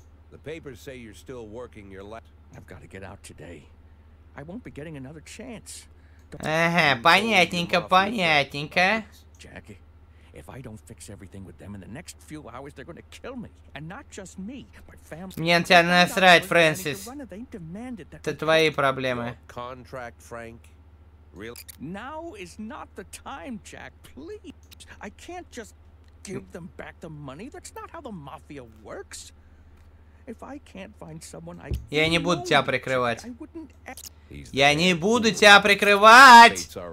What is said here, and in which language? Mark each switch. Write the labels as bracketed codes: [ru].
[en] The papers say you're still working your last... I've got to get out today. I won't be getting another chance. [ru] Ага, понятненько, понятненько. [en] Jackie, if I don't fix everything with them in the next few hours, they're going to kill me. And not just me, my family. [ru] Мне на тебя насрать, Фрэнсис. Это твои проблемы. [en] Contract, Frank. Really? Now is not the time, Jack. Please. I can't just give them back the money. That's not how the mafia works. If I can't find someone, I... [ru] Я не буду тебя прикрывать. Я не буду тебя прикрывать!